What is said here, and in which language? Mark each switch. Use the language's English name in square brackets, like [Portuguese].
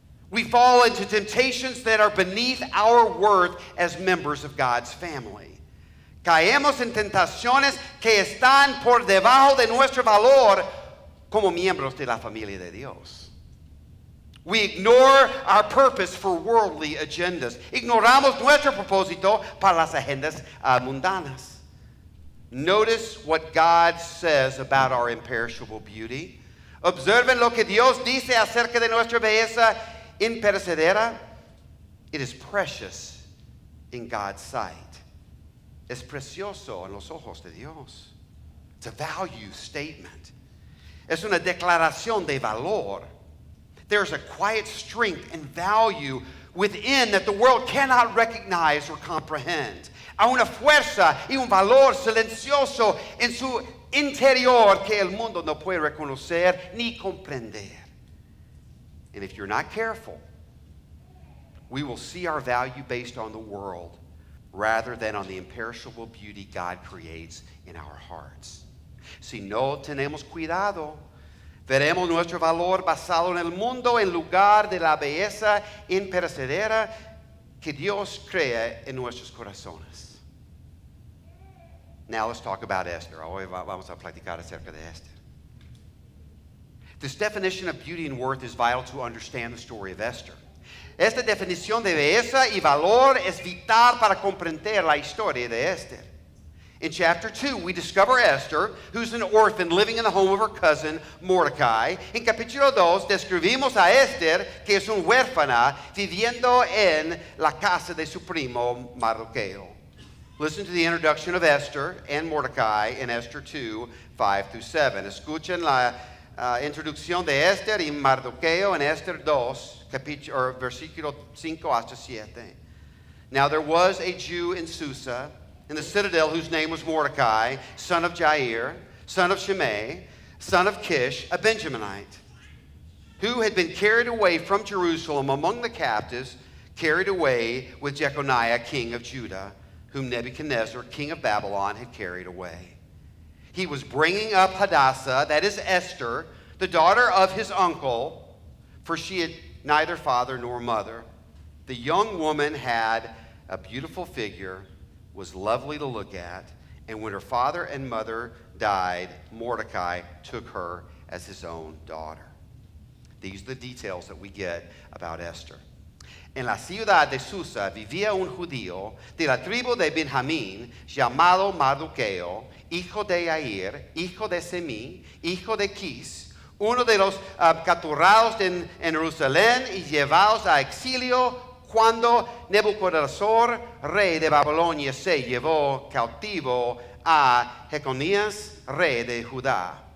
[English] We fall into temptations that are beneath our worth as members of God's family. [Spanish] Caemos en tentaciones que están por debajo de nuestro valor como miembros de la familia de Dios. [English] We ignore our purpose for worldly agendas. [Spanish] Ignoramos nuestro propósito para las agendas mundanas. [English] Notice what God says about our imperishable beauty. [Spanish] Observen lo que Dios dice acerca de nuestra belleza imperecedera. [English] It is precious in God's sight. [Spanish] Es precioso en los ojos de Dios. [English] It's a value statement. [Spanish] Es una declaración de valor. [English] There's a quiet strength and value within that the world cannot recognize or comprehend. [Spanish] Hay una fuerza y un valor silencioso en su interior que el mundo no puede reconocer ni comprender. [English] And if you're not careful, we will see our value based on the world rather than on the imperishable beauty God creates in our hearts. [Spanish] Si no tenemos cuidado, veremos nuestro valor basado en el mundo en lugar de la belleza imperecedera que Dios crea en nuestros corazones. [English] Now let's talk about Esther. [Spanish] Hoy vamos a platicar acerca de Esther. [English] This definition of beauty and worth is vital to understand the story of Esther. [Spanish] Esta definición de belleza y valor es vital para comprender la historia de Esther. [English] In chapter 2, we discover Esther, who's an orphan living in the home of her cousin, Mordecai. [Spanish] En capítulo 2, describimos a Esther, que es un huérfana, viviendo en la casa de su primo, Mardoqueo. [English] Listen to the introduction of Esther and Mordecai in Esther 2, 5 through 7. [Spanish] Escuchen la introducción de Esther y Mardoqueo en Esther 2, versículo 5 hasta 7. [English] Now there was a Jew in Susa, in the citadel, whose name was Mordecai, son of Jair, son of Shimei, son of Kish, a Benjaminite, who had been carried away from Jerusalem among the captives, carried away with Jeconiah, king of Judah, whom Nebuchadnezzar, king of Babylon, had carried away. He was bringing up Hadassah, that is Esther, the daughter of his uncle, for she had neither father nor mother. The young woman had a beautiful figure, was lovely to look at, and when her father and mother died, Mordecai took her as his own daughter. These are the details that we get about Esther. [Spanish] En la ciudad de Susa vivía un judío de la tribu de Benjamín, llamado Mardoqueo, hijo de Jair, hijo de Semí, hijo de Kis, uno de los capturados en Jerusalén y llevados a exilio cuando Nebuchadnezzar, rey de Babilonia, se llevó cautivo a Jeconías, rey de Judá.